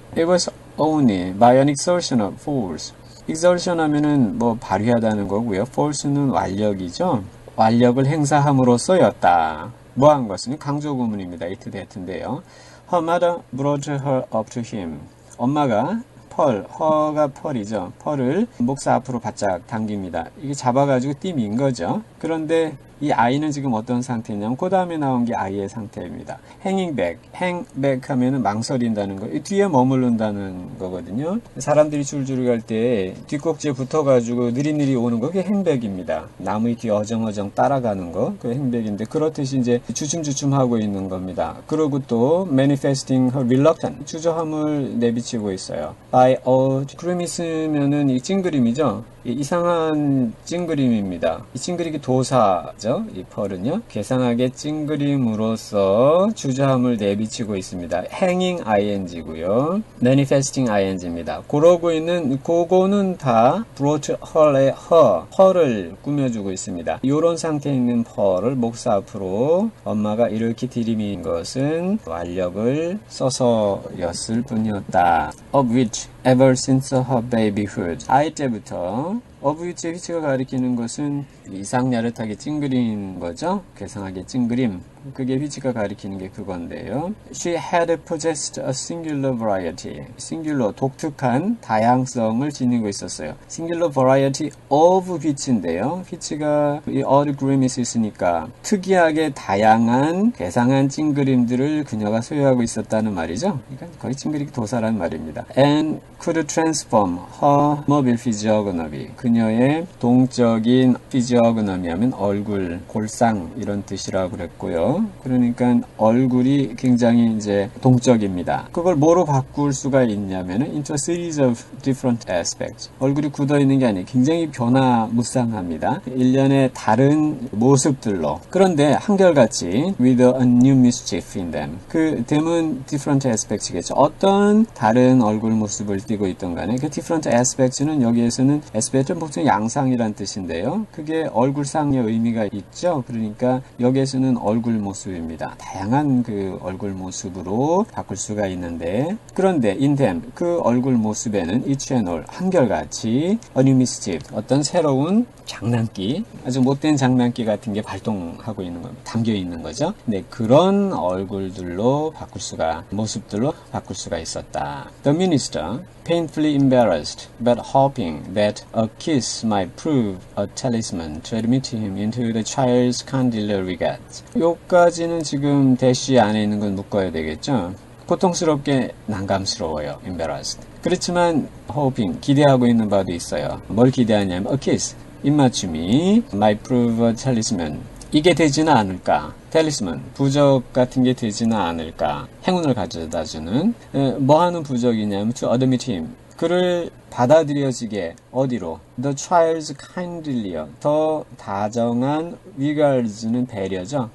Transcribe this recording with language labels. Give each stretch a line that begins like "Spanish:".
English: It was only bionic exertion of force.
Korean: exertion 하면은 뭐 발휘하다는 거고요. force는 완력이죠. 완력을 행사함으로써였다. 뭐한 것은 강조구문입니다. it, that인데요.
English: her mother brought her up to him.
Korean: 엄마가 펄, 허가 펄이죠. 펄을 목사 앞으로 바짝 당깁니다. 이게 잡아가지고 띠민 거죠. 그런데 이 아이는 지금 어떤 상태냐면, 그 다음에 나온 게 아이의 상태입니다.
English: hanging back.
Korean: hang back 하면은 망설인다는 거, 뒤에 머무른다는 거거든요. 사람들이 줄줄이 갈때 뒷꼭지에 붙어가지고 느리느리 오는 거, 그게 hangback입니다. 나무 위에 어정어정 따라가는 거, 그게 hangback인데, 그렇듯이 이제 주춤주춤하고 있는 겁니다.
English: 그러고 또 manifesting her reluctance.
Korean: 주저함을 내비치고 있어요.
English: By a grimace
Korean: 면은 이 찡그림이죠. 이 이상한 찡그림입니다. 이 찡그리기 도사죠. 이 펄은요. 괴상하게 찡그림으로써 주저함을 내비치고 있습니다. hanging ing고요. manifesting ing입니다. 그러고 있는 그거는 다 brought her의 her를 꾸며주고 있습니다. 이런 상태에 있는 펄을 목사 앞으로 엄마가 이렇게 들이민 것은 완력을 써서였을 뿐이었다.
English: of which ever since her babyhood.
Korean: 아이 때부터 of which의 which가 가리키는 것은 이상야릇하게 찡그린 거죠. 괴상하게 찡그림. 그게 휘치가 가리키는 게 그건데요.
English: She had possessed a singular variety.
Korean: singular, 독특한 다양성을 지니고 있었어요.
English: singular variety of 휘치인데요.
Korean: 휘치가 이 odd grimace 있으니까 특이하게 다양한 괴상한 찡그림들을 그녀가 소유하고 있었다는 말이죠. 그러니까 거의 찡그리기 도사라는 말입니다.
English: And could transform her mobile physiognomy.
Korean: 그녀의 동적인 physiognomy 하면 얼굴, 골상 이런 뜻이라고 그랬고요. 그러니까 얼굴이 굉장히 이제 동적입니다. 그걸 뭐로 바꿀 수가 있냐면은
English: into a series of different aspects.
Korean: 얼굴이 굳어 있는 게 아니에요. 굉장히 변화무쌍합니다. 일련의 다른 모습들로. 그런데 한결같이
English: with a new mischief in them.
Korean: 그 them은 different aspects겠죠. 어떤 다른 얼굴 모습을 띠고 있던 간에 그 different aspects는 여기에서는 aspect은 보통 양상이란 뜻인데요. 그게 얼굴상의 의미가 있죠. 그러니까 여기에서는 얼굴 모습입니다. 다양한 그 얼굴 모습으로 바꿀 수가 있는데, 그런데 in them 그 얼굴 모습에는
English: each and all
Korean: 한결같이
English: a new mischief
Korean: 어떤 새로운 장난기, 아주 못된 장난기 같은 게 발동하고 있는 겁니다. 담겨 있는 거죠. 네, 그런 얼굴들로 바꿀 수가 모습들로 바꿀 수가 있었다.
English: The minister, painfully embarrassed, but hoping that a kiss might prove a talisman to admit him into the child's kindly regards.
Korean: 요까지는 지금 대시 안에 있는 건 묶어야 되겠죠? 고통스럽게 난감스러워요.
English: embarrassed.
Korean: 그렇지만 hoping, 기대하고 있는 바도 있어요. 뭘 기대하냐면 a kiss.
English: 입맞춤이 might prove a talisman.
Korean: 이게 되지는 않을까? 탤리스만, 부적 같은 게 되지는 않을까? 행운을 가져다 주는. 뭐 하는 부적이냐면
English: to admit him.
Korean: 그를 받아들여지게 어디로?
English: The child's kindly요.
Korean: 더 다정한 regards는 배려죠.